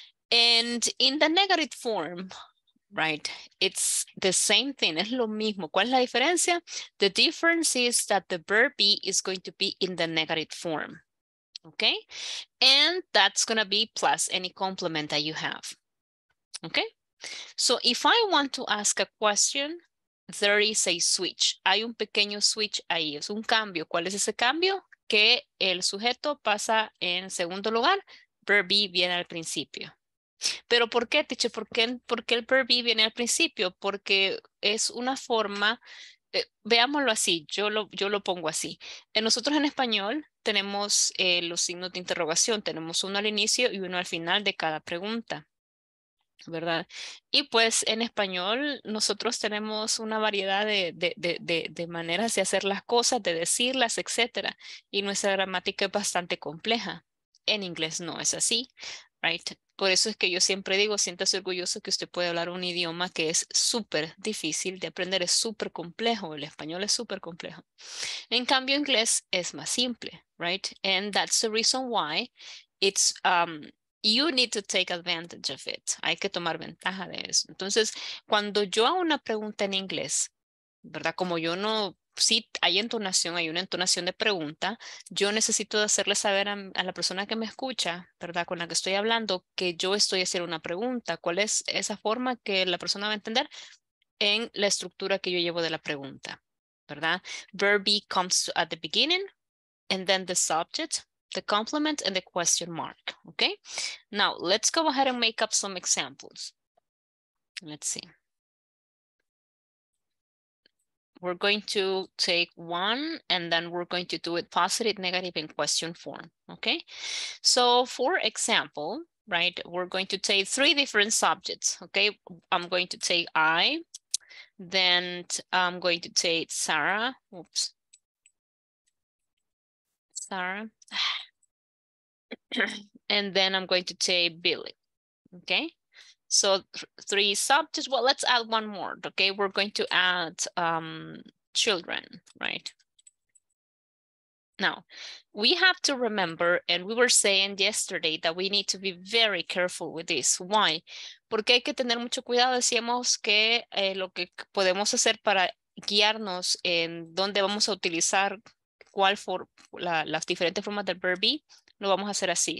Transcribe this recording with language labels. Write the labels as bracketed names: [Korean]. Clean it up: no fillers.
[English] And in the negative form, right, it's the same thing, [Spanish] es lo mismo. ¿Cuál es la diferencia? [English] The difference is that the verb be is going to be in the negative form, okay? And that's gonna be plus any complement that you have, okay? So if I want to ask a question, there is a switch. [Spanish] Hay un pequeño switch ahí, es un cambio. ¿Cuál es ese cambio? Que el sujeto pasa en segundo lugar, verb be viene al principio. ¿Pero por qué, teacher? ¿Por qué el verb be viene al principio? Porque es una forma, veámoslo así, yo lo pongo así. Nosotros en español tenemos los signos de interrogación, tenemos uno al inicio y uno al final de cada pregunta, ¿verdad? Y pues en español nosotros tenemos una variedad de maneras de hacer las cosas, de decirlas, etc. Y nuestra gramática es bastante compleja. En inglés no es así, right? Por eso es que yo siempre digo, siéntase orgulloso que usted puede hablar un idioma que es súper difícil de aprender, es súper complejo, el español es súper complejo. En cambio, inglés es más simple, right? [English] And that's the reason why it's, you need to take advantage of it. [Spanish] Hay que tomar ventaja de eso. Entonces, cuando yo hago una pregunta en inglés, ¿verdad? Como yo no... Si hay entonación, hay una entonación de pregunta, yo necesito hacerle saber a la persona que me escucha, ¿verdad? Con la que estoy hablando, que yo estoy haciendo una pregunta. ¿Cuál es esa forma que la persona va a entender? En la estructura que yo llevo de la pregunta, ¿verdad? [English] Verb be comes at the beginning, and then the subject, the complement, and the question mark, okay? Now, let's go ahead and make up some examples. Let's see. We're going to take one and then we're going to do it positive, negative, and question form, okay? So for example, right, we're going to take three different subjects, okay? I'm going to take I, then I'm going to take Sarah, oops. Sarah. And then I'm going to take Billy, okay? So three subjects, well, let's add one more, okay? We're going to add children, right? Now, we have to remember, and we were saying yesterday that we need to be very careful with this. Why? [Spanish] Porque hay que tener mucho cuidado. Decíamos que lo que podemos hacer para guiarnos en dónde vamos a utilizar cuál for las diferentes formas del verb be, lo vamos a hacer así.